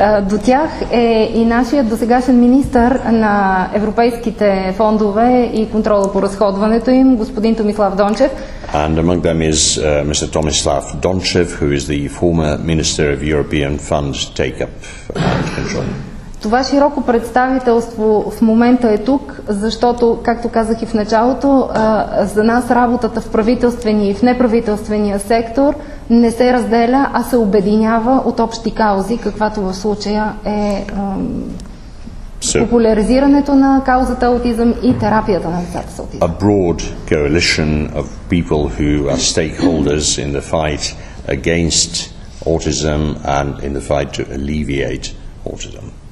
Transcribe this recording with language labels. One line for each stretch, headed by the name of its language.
Bulgarian: До тях е и нашият досегашен министър на европейските фондове и контрола по разходването им, господин Томислав Дончев.
English: And among them is Mr. Tomislav Dončev, who is the former Minister of European Funds Take-up and Control.
Bulgarian: Това широко представителство в момента е тук, защото, както казах и в началото, за нас работата в правителствения и в неправителствения сектор не се разделя, а се обединява от общи каузи, каквато в случая е популяризирането на каузата аутизъм и терапията на децата с аутизъм.
English: A broad coalition of people who are stakeholders in the fight against autism and in the fight to alleviate autism.